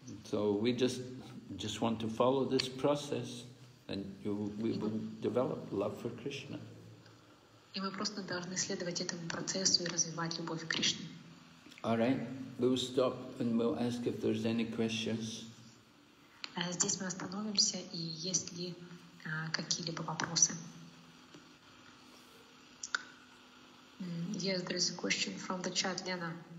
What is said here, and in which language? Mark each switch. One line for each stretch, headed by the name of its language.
English: So we just want to follow this process, and we will develop love for Krishna.
Russian: И мы просто должны следовать этому процессу и развивать любовь к Кришне.
English: All right, we'll stop and we'll ask if there's any questions.
Russian: Здесь мы остановимся, и есть ли какие-либо вопросы?
English: Yes, there is a question from the chat, Lena.